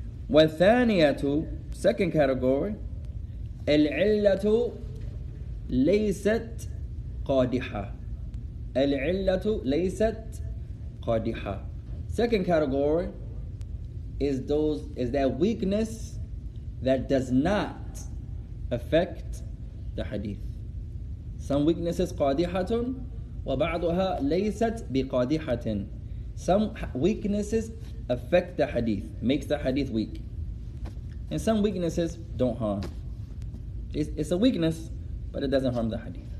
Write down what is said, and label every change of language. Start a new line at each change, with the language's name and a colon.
Arabic: والثانية,
English: second category,
Arabic: العلة ليست قادحة. العلة ليست قادحة.
English: Second category is that weakness that does not affect the hadith. Some weaknesses
Arabic: قادحة وبعضها ليست بقادحة.
English: Some weaknesses affect the hadith, makes the hadith weak. And some weaknesses don't harm. It's a weakness, but it doesn't harm the hadith.